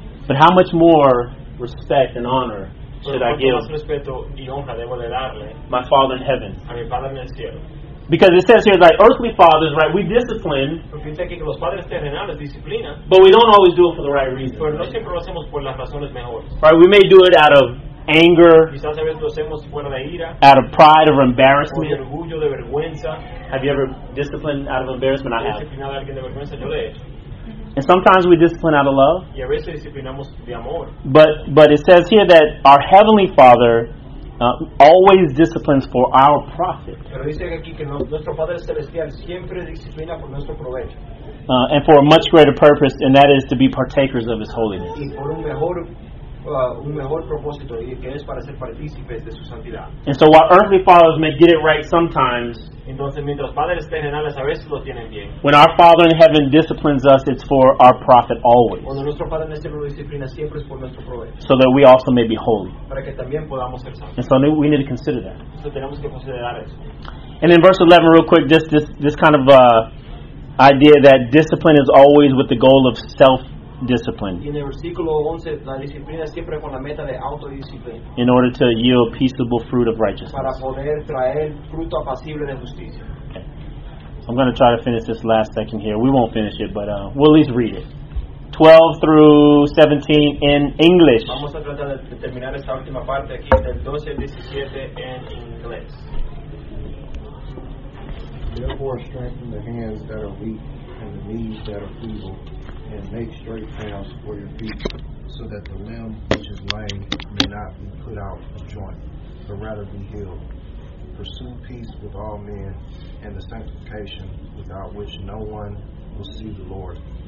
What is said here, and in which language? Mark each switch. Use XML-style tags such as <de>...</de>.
<en>But how much more respect and honor should I give</en> <es>más respeto y honra debo de darle</es> <en>my Father in heaven?</en> <es>A mi Padre en el cielo.</es> <en>Because it says here, like earthly fathers, right? We discipline, but we don't always do it for the right reason.</en> <es>Pero no siempre lo hacemos por las razones mejores.</es> <en>Right? We may do it out of anger,</en> <es>quizás a veces lo hacemos fuera de ira,</es> <en>out of pride or embarrassment.</en> <es>O de orgullo, de vergüenza.</es> <en>Have you ever disciplined out of embarrassment? I have.</en> <es>Disciplinado a alguien de vergüenza, yo lo he hecho.</es> <en>And sometimes we discipline out of love.</en> <es>Y a veces disciplinamos de amor.</es> <en>But it says here that our heavenly Father always disciplines for our profit.</en> <es>Pero dice aquí que nuestro Padre Celestial siempre disciplina por nuestro provecho.</es> <en>And for a much greater purpose, and that is to be partakers of His holiness.</en> <es>Y por un mejor propósito, y que es para ser partícipes de su santidad.</es> <en>And so while earthly fathers may get it right sometimes,</en> <es>entonces mientras padres terrenales a veces lo tienen bien.</es> <en>When our Father in heaven disciplines us, it's for our profit always.</en> <es>Cuando nuestro Padre en el cielo disciplina siempre es por nuestro provecho.</es> <en>So that we also may be holy.</en> <es>Para que también podamos ser santos.</es> <en>And so we need to consider that.</en> <es>Eso tenemos que considerar eso.</es> <en>And in verse 11, real quick, just this kind of idea that discipline is always with the goal of self discipline.</en> <es>Y en el versículo 11, la disciplina siempre con la meta de autodisciplina.</es> <en>In order to yield peaceable fruit of righteousness.</en> <es>Para poder traer fruto apacible de justicia.</es> <en>Okay. I'm going to try to finish this last section here. We won't finish it, but we'll at least read it. 12 through 17 in English.</en> <es>Vamos a tratar de terminar esta última parte aquí del 12 al 17 en inglés.</es> <en>Therefore, strengthen the hands that are weak and the knees that are feeble, and make straight paths for your feet, so that the limb which is lame may not be put out of joint, but rather be healed. Pursue peace with all men, and the sanctification without which no one will see the Lord.</en>